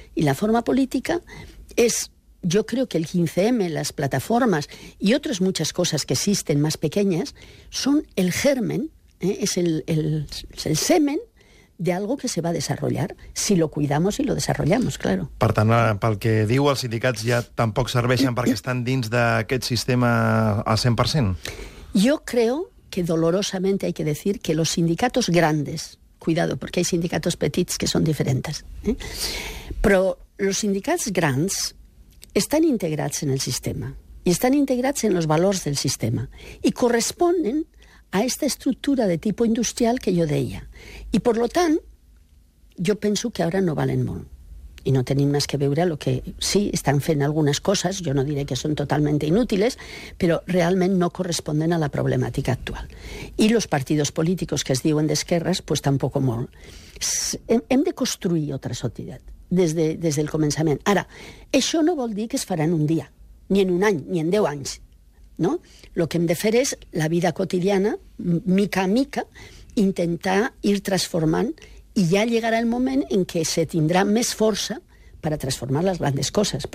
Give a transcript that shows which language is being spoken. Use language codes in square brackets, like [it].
[es] Y la forma política es... Yo creo que el 15M, las plataformas y otras muchas cosas que existen más pequeñas son el germen, es el semen de algo que se va a desarrollar si lo cuidamos y lo desarrollamos, claro. [ca] Per tant, pel que diu, els sindicats ja tampoc serveixen perquè estan dins d'aquest sistema al 100%. [es] Yo creo que dolorosamente hay que decir que los sindicatos grandes, cuidado, porque hay sindicatos [ca] petits [es] que son diferentes, pero los sindicatos grandes están [ca] integrats en el sistema [es] y están integrats en los [ca] valors [es] del sistema y corresponden a esta estructura de tipo industrial que yo [ca] deia. [es] Y por lo tant, yo penso que ahora no valen [ca] molt. [es] Y no [ca] tenim [es] más que [ca] veure [es] lo que sí están [ca] fent algunes coses, [es] yo no [ca] diré [es] que son totalmente inútiles, pero [ca] realment [es] no corresponden a la problemàtica actual. Y los partidos políticos que [ca] es diuen d'esquerres, [es] pues tampoco [ca] molt. Hem de construir [es] otra [ca] societat. Des del començament. Ara, això no vol dir que es farà en un dia, ni en un any, ni en 10 anys, no? Lo que hem de fer és la vida quotidiana, mica a mica, intentar [es] ir transformant [ca] i ja [es] llegarà [ca] el moment en què se tindrà més força per a transformar les [es] grandes [ca] coses.